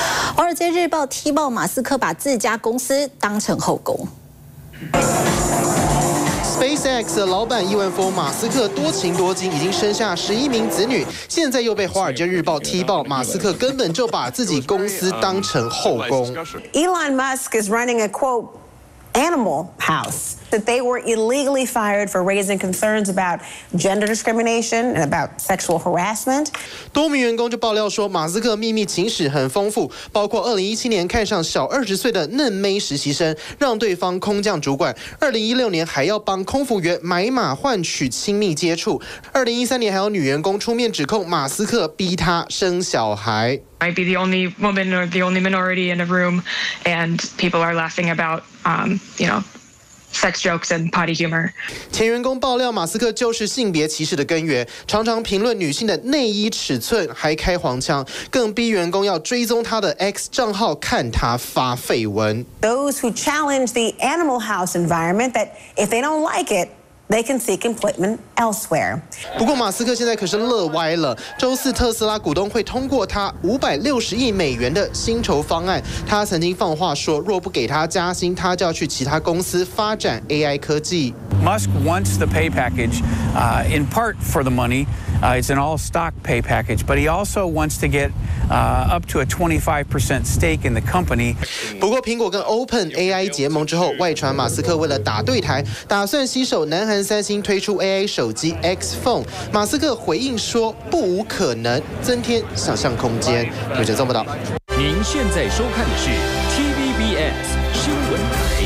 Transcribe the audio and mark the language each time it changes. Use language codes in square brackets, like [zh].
[zh] 《华尔街日报》踢爆马斯克把自家公司当成后宫。 SpaceX 的老板亿万富翁马斯克多情多金，已经生下11名子女，现在又被《华尔街日报》踢爆，马斯克根本就把自己公司当成后宫。 [en] Elon Musk is running a quote animal house that they were illegally fired for raising concerns about gender discrimination and about sexual harassment. [zh] 多名员工就爆料说，马斯克秘密情史很丰富，包括2017年看上小20岁的嫩妹实习生，让对方空降主管；2016年还要帮空服员买马换取亲密接触；2013年还有女员工出面指控马斯克逼她生小孩。 [en] Might be the only woman or the only minority in a room, and people are laughing about, you know. sex jokes and potty humor. [zh] 前员工爆料，马斯克就是性别歧视的根源，常常评论女性的内衣尺寸，还开黄腔，更逼员工要追踪他的 X 账号，看他发绯闻。 [en] Those who challenge the Animal House environment that if they don't like it. They can seek employment elsewhere. [zh] 不过马斯克现在可是乐歪了。周四特斯拉股东会通过他560亿美元的薪酬方案。他曾经放话说，若不给他加薪，他就要去其他公司发展 AI 科技。 [en] Musk wants the pay package, in part for the money. It's an all-stock pay package, but he also wants to get, up to a 25% stake in the company. [zh] 不过苹果跟 Open AI 结盟之后，外传马斯克为了打对台，打算携手南。和三星推出 AI 手机 X Phone， 马斯克回应说不无可能，增添想象空间。有者做不到。您现在收看的是 TVBS 新闻台。